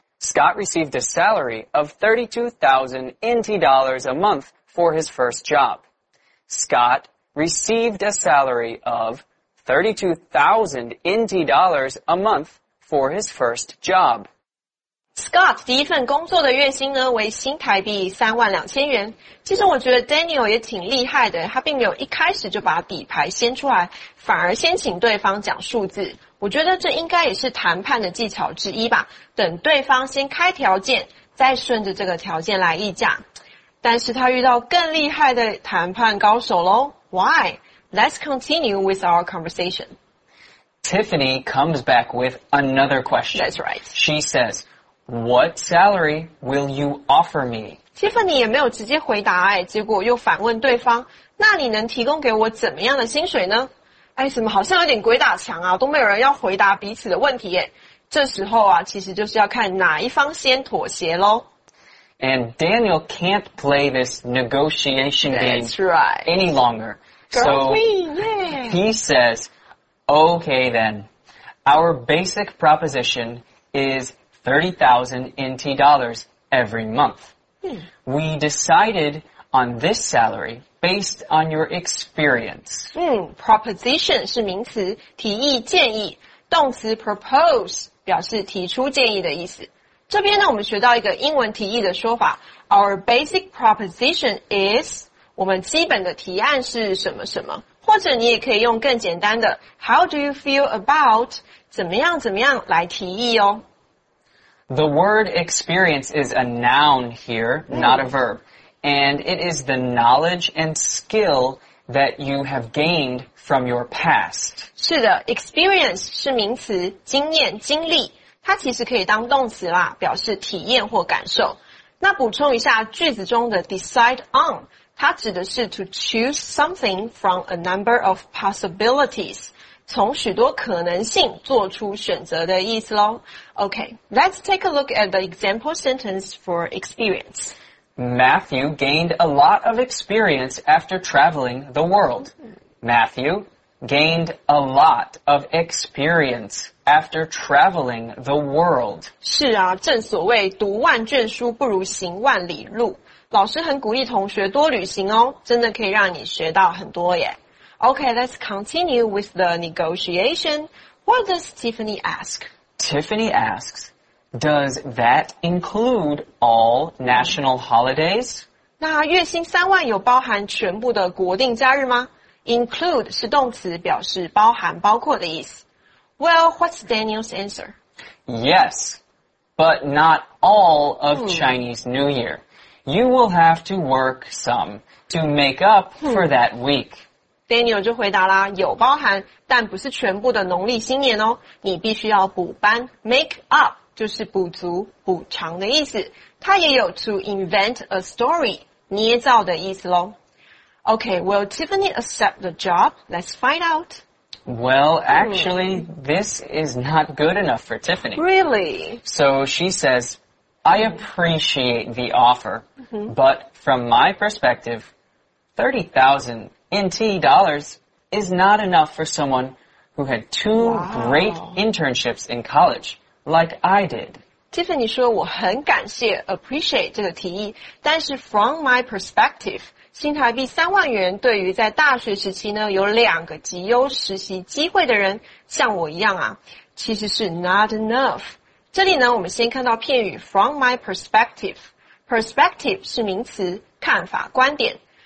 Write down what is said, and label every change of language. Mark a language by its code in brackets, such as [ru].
[en] Scott received a salary of 32,000 NT dollars a month. For his first job, Scott received a salary of 32,000 NT dollars a month for his first job. [zh] Scott 第一份工作的月薪呢为新台币32,000元。其实我觉得 Daniel 也挺厉害的，他并没有一开始就把底牌掀出来，反而先请对方讲数字。我觉得这应该也是谈判的技巧之一吧，等对方先开条件，再顺着这个条件来议价。但是他遇到更厉害的谈判高手咯。 [en] Why? Let's continue with our conversation. Tiffany comes back with another question. That's right. She says, what salary will you offer me? [zh] Tiffany 也没有直接回答哎，结果又反问对方，那你能提供给我怎么样的薪水呢？哎，怎么好像有点鬼打墙啊，都没有人要回答彼此的问题耶。这时候啊，其实就是要看哪一方先妥协咯。 [en] And Daniel can't play this negotiation game any longer. He says, okay then, our basic proposition is 30,000 NT dollars every month. We decided on this salary based on your experience. [zh] Proposition 是名词，提议、建议。动词 propose 表示提出建议的意思。这边呢我们学到一个英文提议的说法， [en] our basic proposition is, [zh] 我们基本的提案是什么什么，或者你也可以用更简单的 [en] how do you feel about, [zh] 怎么样怎么样来提议哦。 [en] The word experience is a noun here, not a verb, and it is the knowledge and skill that you have gained from your past. [zh] 是的， experience 是名词，经验、经历，它其实可以当动词啦，表示体验或感受。那补充一下句子中的 decide on， 它指的是 [en] to choose something from a number of possibilities， [zh] 从许多可能性做出选择的意思咯。 [en] OK, let's take a look at the example sentence for experience. Matthew gained a lot of experience after traveling the world. Matthew gained a lot of experience after traveling the world. [zh] 是啊，正所谓读万卷书不如行万里路。老师很鼓励同学多旅行哦，真的可以让你学到很多耶。 [en] Okay, let's continue with the negotiation. What does Tiffany ask? Tiffany asks, does that include all national holidays? [zh] 那月薪三万有包含全部的国定假日吗？ Include 是动词，表示包含包括的意思。 [en] Well, what's Daniel's answer? Yes, but not all of Chinese New Year. You will have to work some to make up for that week. [zh] Daniel 就回答啦，有包含，但不是全部的农历新年哦，你必须要补班。 Make up 就是补足、补偿的意思，它也有 [en] to invent a story [zh] 捏造的意思咯。 [en] Okay, will Tiffany accept the job? Let's find out. Well, actually, this is not good enough for Tiffany. Really? So she says, I appreciate the offer, but from my perspective, 30,000 NT dollars is not enough for someone who had two great internships in college, like I did. [zh] Tiffany 说我很感谢 appreciate 这个提议，但是 [en] from my perspective, [zh] 新台币三万元对于在大学时期呢有两个极优实习机会的人，像我一样啊，其实是 [en] not enough。 [zh] 这里呢，我们先看到片语 from my perspective。perspective 是名词，看法、观点。